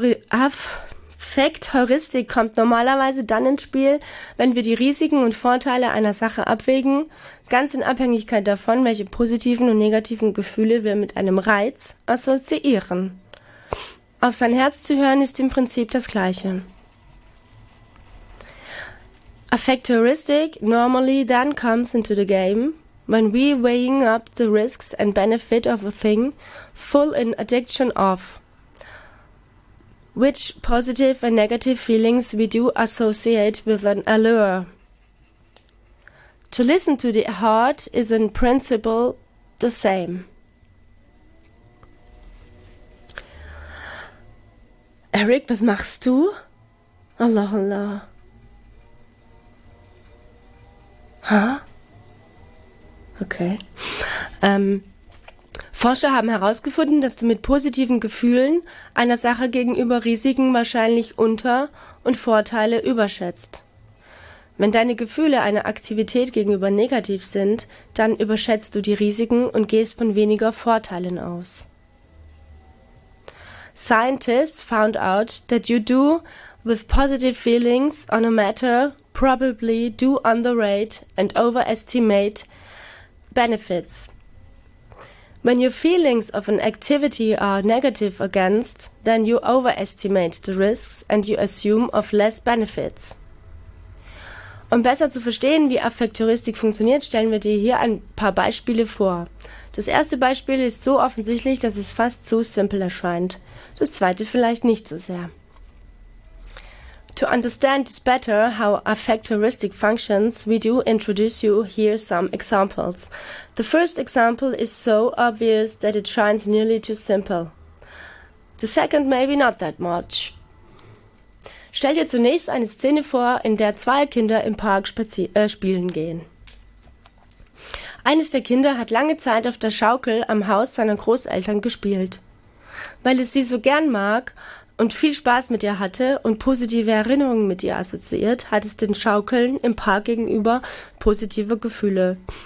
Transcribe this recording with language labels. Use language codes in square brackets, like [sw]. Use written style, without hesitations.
[de] Affektheuristik kommt normalerweise dann ins Spiel, wenn wir die Risiken und Vorteile einer Sache abwägen, ganz in Abhängigkeit davon, welche positiven und negativen Gefühle wir mit einem Reiz assoziieren. Auf sein Herz zu hören ist im Prinzip das Gleiche. [en] Affectoristic normally then comes into the game when we weighing up the risks and benefit of a thing full in addiction of which positive and negative feelings we do associate with an allure. To listen to the heart is in principle the same. [de] Eric, was machst du? Allah, Allah. Huh? Okay. Forscher haben herausgefunden, dass du mit positiven Gefühlen einer Sache gegenüber Risiken wahrscheinlich unter- und Vorteile überschätzt. Wenn deine Gefühle einer Aktivität gegenüber negativ sind, dann überschätzt du die Risiken und gehst von weniger Vorteilen aus. [en] Scientists found out that you do with positive feelings on a matter probably do underrate and overestimate benefits. When your feelings of an activity are negative against, then you overestimate the risks and you assume of less benefits. [de] Um besser zu verstehen, wie Affektheuristik funktioniert, stellen wir dir hier ein paar Beispiele vor. Das erste Beispiel ist so offensichtlich, dass es fast zu simpel erscheint. Das zweite vielleicht nicht so sehr. [en] To understand this better, how affectoristic functions, we do introduce you here some examples. The first example is so obvious that it shines nearly too simple. The second maybe not that much. [de] Stell dir zunächst eine Szene vor, in der zwei Kinder im Park spielen gehen. Eines der Kinder hat lange Zeit auf der Schaukel am Haus seiner Großeltern gespielt. Weil es sie so gern mag und viel Spaß mit ihr hatte und positive Erinnerungen mit ihr assoziiert, hat es den Schaukeln im Park gegenüber positive Gefühle.